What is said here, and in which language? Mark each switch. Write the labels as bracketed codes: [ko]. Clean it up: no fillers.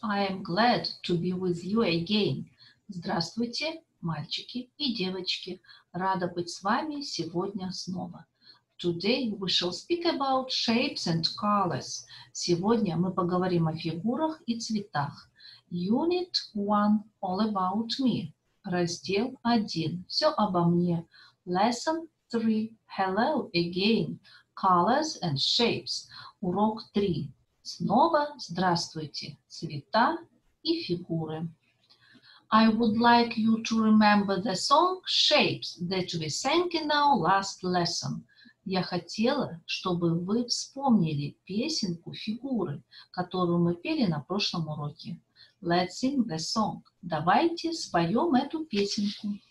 [en] I am glad to be with you again. [ru] Здравствуйте, мальчики и девочки. Рада быть с вами сегодня снова. [en] Today we shall speak about shapes and colors. [ru] Сегодня мы поговорим о фигурах и цветах. [en] Unit 1, all about me. [ru] Раздел 1, все обо мне. [en] Lesson 3, hello again. Colors and shapes. [ru] Урок 3. Снова здравствуйте, цвета и фигуры. [en] I would like you to remember the song Shapes that we sang in our last lesson. [ru] Я хотела, чтобы вы вспомнили песенку «Фигуры», которую мы пели на прошлом уроке. [en] Let's sing the song. [ru] Давайте споем эту песенку.